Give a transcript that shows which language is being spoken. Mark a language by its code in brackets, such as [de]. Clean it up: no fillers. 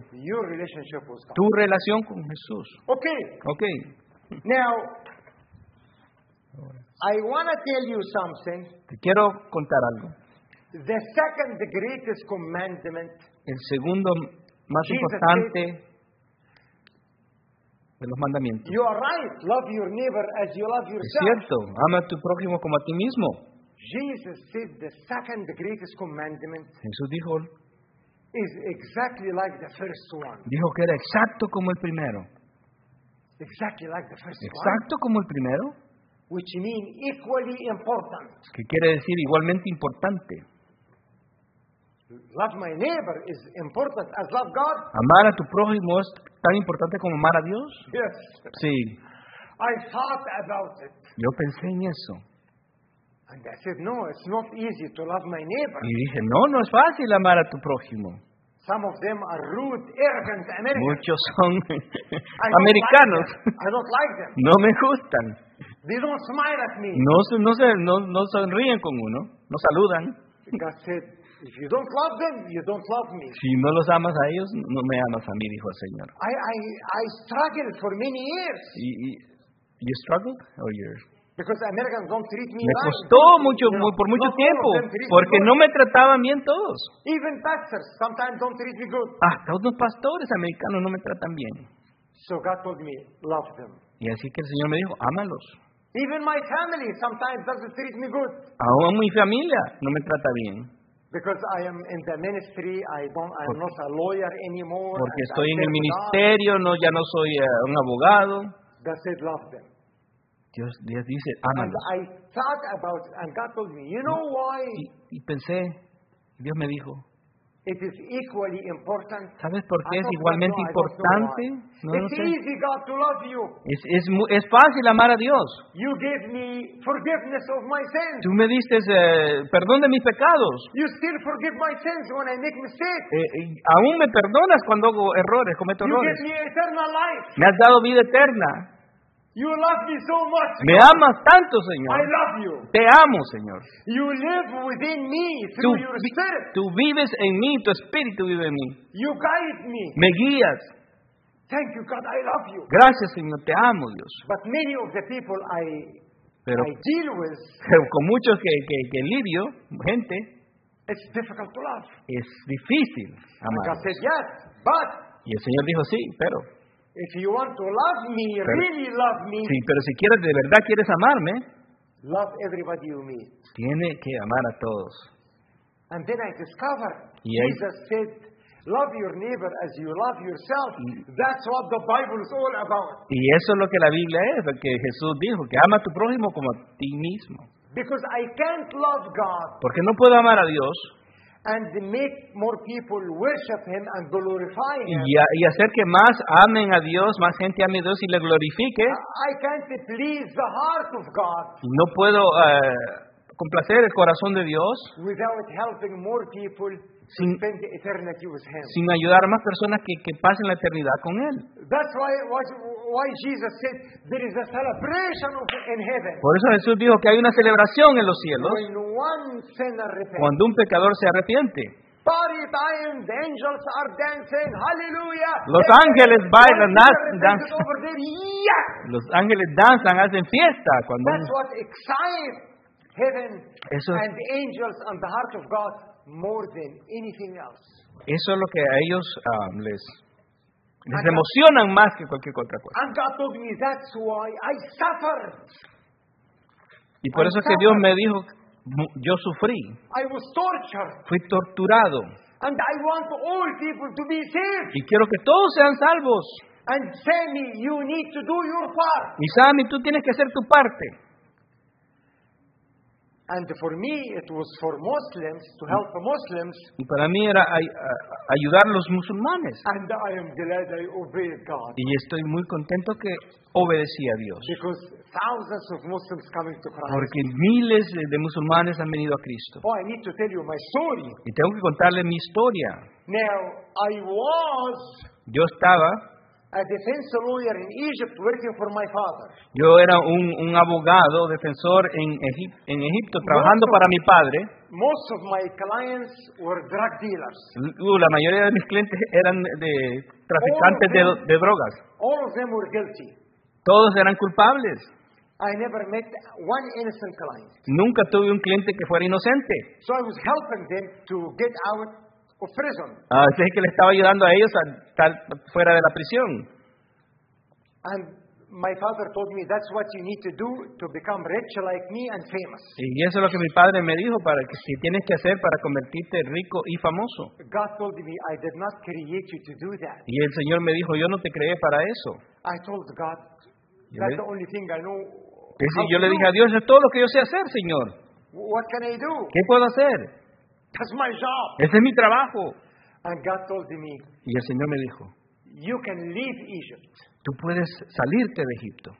[en] your relationship with God. [es] Tu relación con Jesús. [en] Okay. Now, I want to tell you something. [es] Te quiero contar algo. [en] The second the greatest commandment. [es] El segundo más importante de los mandamientos. [en] You are right. Love your neighbor as you love yourself. [es] Es cierto. Ama a tu prójimo como a ti mismo. [en] Jesus said the second greatest commandment. [es] Jesús dijo. [en] Is exactly like the first one. [es] Dijo que era exacto como el primero. [en] Exactly like the first one. [es] Exacto como el primero. [en] Which means equally important. [es] Que quiere decir igualmente importante. [en] Love my neighbor is important as love God. [es] Amar a tu prójimo es tan importante como amar a Dios. [en] Yes. [es] Sí. [en] I thought about it. [es] Yo pensé en eso. [en] And I said, no, it's not easy to love my neighbor. [es] Y dije, no es fácil amar a tu prójimo. [en] Some of them are rude, arrogant Americans. [es] Muchos son americanos. [en] I don't like them. [es] No me gustan. [en] They don't smile at me. [es] No sonríen con uno. No saludan. [en] God said, If you don't love them, you don't love me. [es] Si no los amas a ellos, no me amas a mí, dijo el Señor. [en] I struggled for many years. You struggled, or you're... Because Americans don't treat me. [es] Me costó mucho, [en] you know, [es] por mucho tiempo, porque no me trataban bien todos. [en] Even pastors sometimes don't treat me good. [es] Hasta otros pastores americanos no me tratan bien. [en] So God told me, love them. [es] Y así que el Señor me dijo, ámalos. [en] Even my family sometimes doesn't treat me good. [es] Aún mi familia no me trata bien. [en] Because I am in the ministry, I'm not a lawyer anymore. [es] Porque estoy en el ministerio, no, ya no soy un abogado. [en] God said, love them. [es] Dios dice, ámalos. [en] And I thought about, and God told me, you know why? [es] Y pensé, Dios me dijo, [en] it is equally important. [es] ¿Sabes por qué es igualmente importante? [en] No, it's easy, God, to love you. [es] Es fácil amar a Dios. [en] You gave me forgiveness of my sins. [es] Tú me diste perdón de mis pecados. [en] You still forgive my sins when I make mistakes. [es] Aún me perdonas cuando hago errores, cometo errores. [en] You gave me eternal life. [es] Me has dado vida eterna. [en] You love me so much. [es] Me amas tanto, Señor. [en] I love you. [es] Te amo, Señor. [en] You live within me through your spirit. [es] Tú vives en mí, tu espíritu vive en mí. [en] You guide me. [es] Me guías. [en] Thank you, God. I love you. [es] Gracias, Señor. Te amo, Dios. [en] But many of the people I deal with, [es] pero con muchos que lidio, gente, [en] it's difficult to love. [es] Es difícil amar. [en] God said yes, but. [es] Y el Señor dijo sí, pero. [en] If you want to love me, really love me. [es] Sí, pero si quieres, de verdad quieres amarme. [en] Love everybody you meet. [es] Tiene que amar a todos. [en] And then I discovered Jesus said, love your neighbor as you love yourself. That's what the Bible is all about. [es] Y eso es lo que la Biblia es, que Jesús dijo, que ama a tu prójimo como a ti mismo. [en] Because I can't love God. [es] Porque no puedo amar a Dios. [en] And make more people worship him and glorify him. [es] Y hacer que más amen a Dios, más gente ame a Dios y le glorifique. [en] I can't please the heart of God. [es] No puedo complacer el corazón de Dios. [en] Without helping more people spend eternity with him. [es] Sin ayudar a más personas que pasen la eternidad con él. [en] That's why Jesus said there is a celebration in heaven. [es] Por eso Jesús dijo que hay una celebración en los cielos. [en] When one sinner repents. [es] Cuando un pecador se arrepiente. [en] Party time, the angels are dancing. Hallelujah. [es] Los ángeles bailan, danzan. [en] Yeah. [es] Los ángeles danzan, hacen fiesta cuando. [en] That's what excites heaven and angels and the heart of God. More than anything else. [es] Eso es lo que a ellos les emocionan más que cualquier otra cosa. [en] And God told me that's why I suffer. [es] Y por eso es que Dios me dijo, yo sufrí. [en] I was tortured. [es] Fui torturado. [en] And I want all people to be saved. [es] Y quiero que todos sean salvos. [en] And Sammy, you need to do your part. [es] Y Sammy, tú tienes que hacer tu parte. [en] And for me, it was for Muslims to help Muslims. [es] Y para mí era ayudar a los musulmanes. [en] And I am glad I obeyed God. [es] Y estoy muy contento que obedecí a Dios. [en] Because thousands of Muslims coming to Christ. [es] Porque miles de musulmanes han venido a Cristo. [en] Oh, I need to tell you my story. [es] Y tengo que contarle mi historia. [en] Now I was. [es] Yo estaba. [en] A defense lawyer in Egypt working for my father. [es] Yo era un abogado defensor en Egipto trabajando para mi padre. [en] Most of my clients were drug dealers. [es] La mayoría de mis clientes eran de traficantes de drogas. [en] All of them were guilty. [es] Todos eran culpables. [en] I never met one innocent client. [es] Nunca tuve un cliente que fuera inocente. [en] So I was helping them to get out. [es] Así es que le estaba ayudando a ellos a estar fuera de la prisión. [en] My father told me that's what you need to do to become rich like me and famous. [es] Y eso es lo que mi padre me dijo para que si tienes que hacer para convertirte rico y famoso. [en] God told me I did not create you to do that. [es] Y el Señor me dijo yo no te creé para eso. [en] I told God that's the only thing I know. [es] Es decir, yo le dije a Dios es todo lo que yo sé hacer, Señor. [en] What can I do? [es] ¿Qué puedo hacer? [en] That's my job. [es] Ese es mi trabajo. [en] And God told me, [es] y el Señor me dijo, [en] you can leave Egypt. [es] Tú puedes salirte de Egipto.